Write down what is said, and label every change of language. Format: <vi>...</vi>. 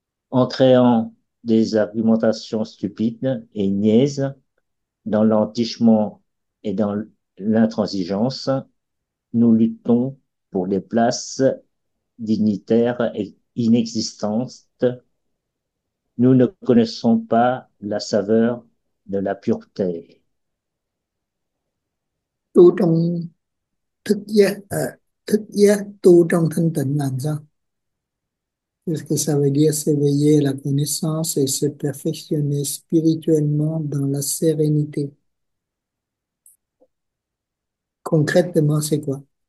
<fr>En créant des argumentations stupides et niaises, dans l'entichement et dans l'intransigeance, nous luttons pour des places dignitaires et inexistantes. Nous ne connaissons pas la saveur de la pureté.</fr> <vi>Tu trong thức giác, thức giác tu trong thanh tịnh làm sao?</vi> <fr>Qu'est-ce que ça veut dire s'éveiller la connaissance et se perfectionner spirituellement dans la sérénité? Concrètement, c'est quoi?</fr>